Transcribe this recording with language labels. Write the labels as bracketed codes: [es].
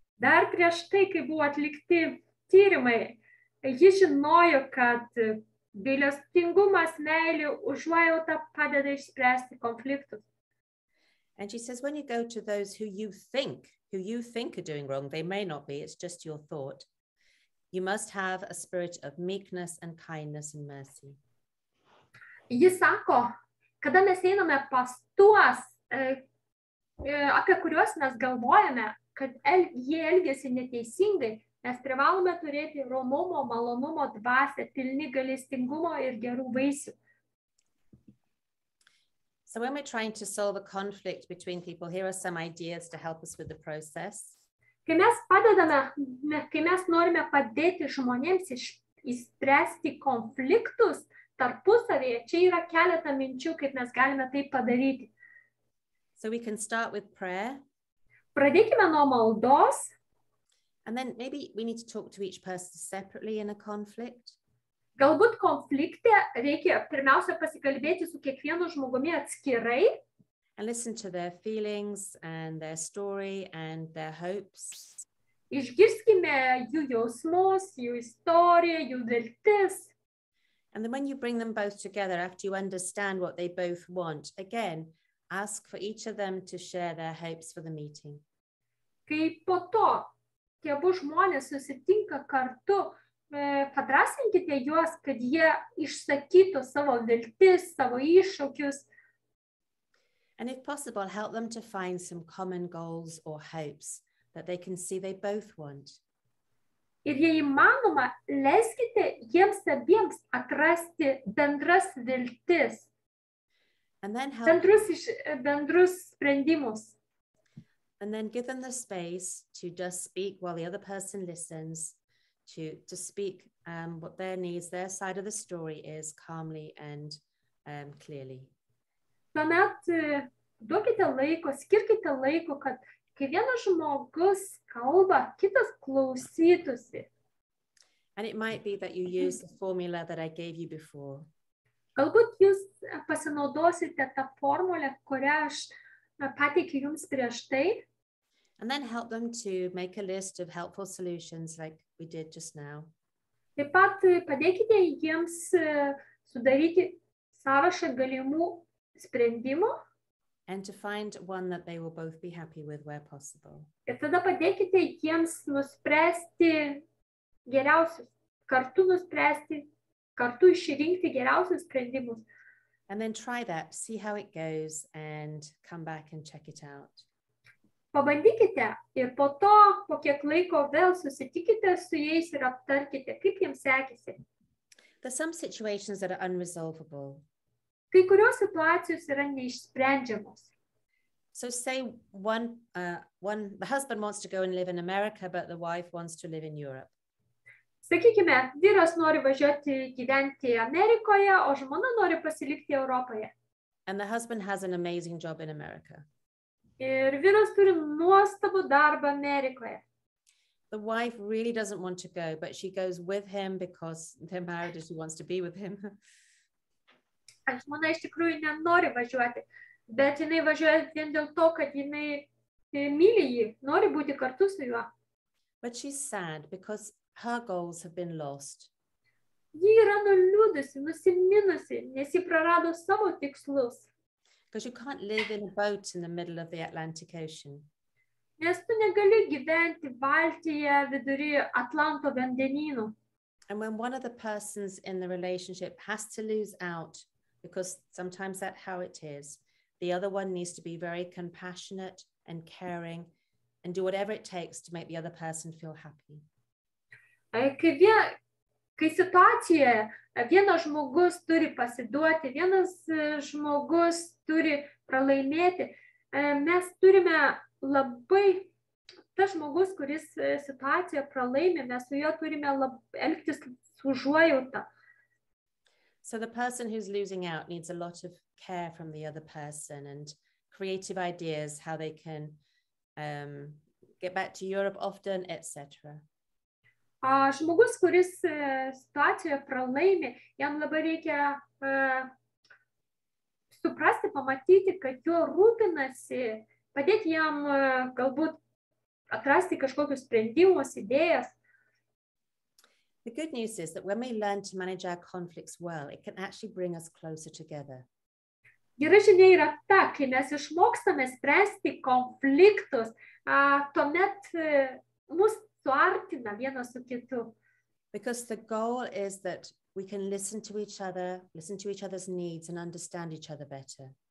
[lt] Dar prieš tai, kai buvo atlikti tyrimai, ji žinojo, kad gailestingumas, meilė, užuojauta padeda išspręsti konfliktus. [en] And she says, when you go to those who you think are doing wrong, they may not be, it's just your thought, you must have a spirit of meekness and kindness and mercy. [lt] Ji sako, kada mes einame pas tuos, apie kuriuos mes galvojame, kad jie elgiasi neteisingai, mes privalome turėti romumo, malonumo dvasę, pilni galestingumo ir gerų vaisių. [en] So when we're trying to solve a conflict between people, here are some ideas to help us with the process. [lt] Kai mes padedame, kai mes norime padėti žmonėms išspręsti konfliktus tarpusavyje, čia yra keletą minčių, kaip mes galime tai padaryti. [en] So we can start with prayer. [lt] Pradėkime nuo maldos. [en] And then maybe we need to talk to each person separately in a conflict. [lt] Galbūt konflikte reikia pirmiausia pasikalbėti su kiekvienu žmogumi atskirai. [en] And listen to their feelings and their story and their hopes. [lt] Išgirskime jų jausmus, jų istoriją, jų viltis. [en] And then when you bring them both together, after you understand what they both want, again, ask for each of them to share their hopes for the meeting. [lt] Kai po to tie abu žmonės susitinka kartu, padrasinkite juos, kad jie išsakytų savo viltis, savo iššūkius. [en] And if possible, help them to find some common goals or hopes that they can see they both want. [lt] Ir jei įmanoma, leiskite jiems abiems atrasti bendras viltis. [en] And then help [lt] bendrus sprendimus. [en] And then give them the space to just speak while the other person listens. To speak what their needs, their side of the story is calmly and clearly. [lt] Tuomet duokite laiko, skirkite laiko, kad kai vienas žmogus kalba, kitas klausytųsi. [en] And it might be that you use the formula that I gave you before. [lt] Galbūt jūs pasinaudosite tą formulę, kurią aš pateikiu jums prieš tai. [en] And then help them to make a list of helpful solutions like we did just now. [lt] Taip pat padėkite jiems sudaryti sąrašą galimų sprendimų. [en] And to find one that they will both be happy with where possible. [lt] Ir tada padėkite jiems nuspręsti geriausius, kartu nuspręsti, kartu išrinkti geriausius sprendimus. [en] And then try that, see how it goes and come back and check it out. [lt] Pabandykite ir po to, po kiek laiko vėl susitikite su jais ir aptarkite, kaip jiems sekėsi. [en] There's some situations that are unresolvable. [lt] Kai kurios situacijos yra neišsprendžiamos. [en] So say one the husband wants to go and live in America, but the wife wants to live in Europe. [lt] Sakykime, vyras nori važiuoti gyventi Amerikoje, o žmona nori pasilikti Europoje. [en] And the husband has an amazing job in America. [lt] Ir vyras turi nuostabų darbą Amerikoje. [en] The wife really doesn't want to go, but she goes with him because they're married and she wants to be with him. [lt] Žmona iš tikrųjų nenori važiuoti, bet jinai važiuoja vien dėl to, kad jinai myli jį, nori būti kartu su juo. [en] But she's sad because her goals have been lost. [lt] Ji yra nuliūdusi, nusiminusi, nes ji prarado savo tikslus. [en] Because you can't live in a boat in the middle of the Atlantic Ocean. [lt] Nes tu negali gyventi Baltijoje vidury Atlanto vandenynų. [en] And when one of the persons in the relationship has to lose out, because sometimes that's how it is, the other one needs to be very compassionate and caring and do whatever it takes to make the other person feel happy. [lt] Kai situacija, vienas žmogus turi pasiduoti, vienas žmogus turi pralaimėti, mes turime labai, tas žmogus, kuris situaciją pralaimė, mes su juo turime elgtis su užuojauta. [en] So the person who's losing out needs a lot of care from the other person and creative ideas how they can get back to Europe often, etc. [lt] Žmogus, kuris situaciją pralaimė, jam labai reikia suprasti, pamatyti, kad jo rūpinasi, padėti jam galbūt atrasti kažkokius sprendimus, idėjas. [en] The good news is that when we learn to manage our conflicts well, it can actually bring us closer together. [lt] Gera žinia yra ta, kai mes išmokstame spręsti konfliktus, tuomet mus suartina vienas su kitu. [en] Because the goal is that we can listen to each other's needs and understand each other better.